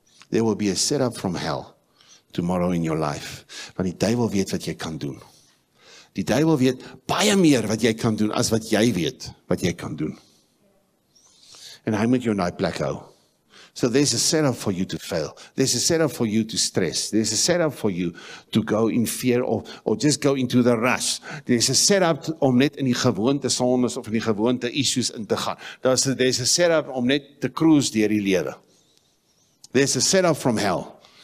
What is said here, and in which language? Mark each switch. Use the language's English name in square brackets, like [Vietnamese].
[English] There will be a setup from hell tomorrow in your life. [Afrikaans] Want die duivel weet wat jy kan doen. Die duivel weet baie meer wat jy kan doen as wat jy weet wat jy kan doen. En hy moet jou in die plek hou. [English] So there's a setup for you to fail. There's a setup for you to stress. There's a setup for you to go in fear or just go into the rush. There's a setup [Afrikaans] om net in die gewoonte sondes of in die gewoonte issues in te gaan. [English] There's a setup [Afrikaans] om net te cruise deur die lewe. [English] There's a setup from hell.